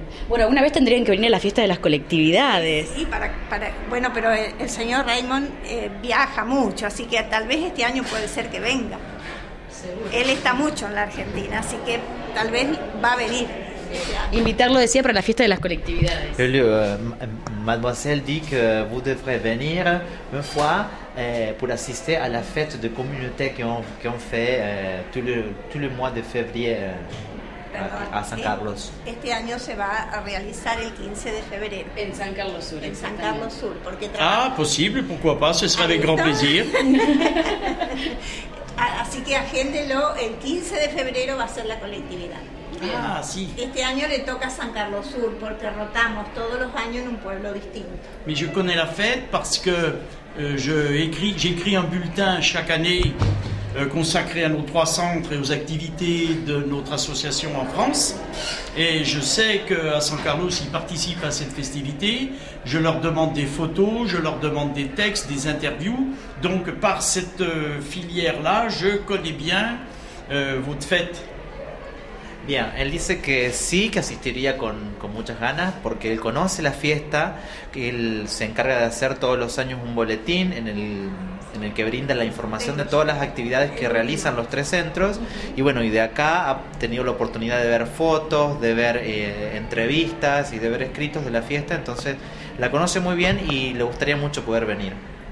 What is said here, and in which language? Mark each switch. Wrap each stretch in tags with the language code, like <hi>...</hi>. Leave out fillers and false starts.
<es>Bueno, una vez tendrían que venir a la fiesta de las colectividades. Sí, bueno, pero el señor Raymond viaja mucho, así que tal vez este año puede ser que venga. Él está mucho en la Argentina, así que tal vez va a venir. Invitarlo, decía, para la fiesta de las colectividades.</es> <fr>Mademoiselle dit que vous devrez venir une fois pour assister à la fête de communauté qu'on fait tout le mois de février à San Carlos.</fr> <es>Este año se va a realizar el 15 de febrero. En San Carlos Sur, en San Carlos Sur, porque</es> <fr>Ah, possible, pourquoi pas, ce serait avec grand plaisir.</fr> <es>Así que agéndelo, el 15 de febrero va a ser la colectividad. Ah, sí. Este año le toca a San Carlos Sur porque rotamos todos los años en un pueblo distinto.</es> <fr>Mais je connais la fête parce que j'écris un bulletin chaque année consacré à nos trois centres et aux activités de notre association en France. Et je sais qu'à San Carlos, ils participent à cette festivité. Je leur demande des photos, je leur demande des textes, des interviews. Donc par cette filière-là, je connais bien votre fête.</fr> <es>Bien, él dice que sí, que asistiría con muchas ganas, porque él conoce la fiesta, que él se encarga de hacer todos los años un boletín en el que brinda la información de todas las actividades que realizan los tres centros. Y bueno, y de acá ha tenido la oportunidad de ver fotos, de ver entrevistas y de ver escritos de la fiesta, entonces la conoce muy bien y le gustaría mucho poder venir.</es>